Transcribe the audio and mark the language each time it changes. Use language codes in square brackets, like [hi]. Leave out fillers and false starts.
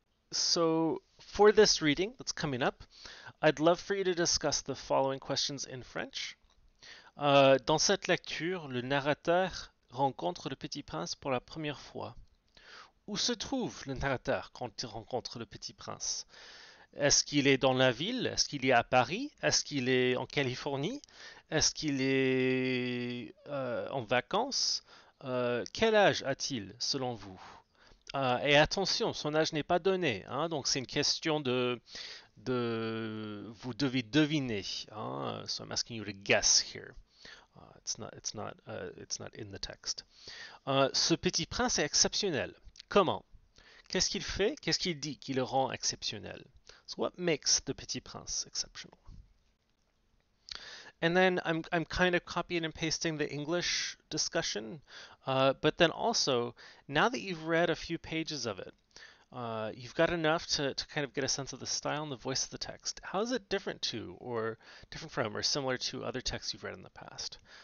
[en] So for this reading that's coming up, I'd love for you to discuss the following questions in French. [fr] Dans cette lecture, le narrateur rencontre le petit prince pour la première fois. Où se trouve le narrateur quand il rencontre le petit prince? Est-ce qu'il est dans la ville? Est-ce qu'il est à Paris? Est-ce qu'il est en Californie? Est-ce qu'il est en vacances? Quel âge a-t-il selon vous? Et attention, son âge n'est pas donné, hein, donc c'est une question de vous devez deviner, hein? [en] So I'm asking you to guess here. It's not in the text. [fr] Ce petit prince est exceptionnel. Comment? Qu'est-ce qu'il fait? Qu'est-ce qu'il dit qui le rend exceptionnel? [en] So what makes the petit prince exceptional? And then I'm kind of copying and pasting the English discussion, but then also now that you've read a few pages of it, you've got enough to kind of get a sense of the style and the voice of the text. How is it different to, or different from, or similar to other texts you've read in the past?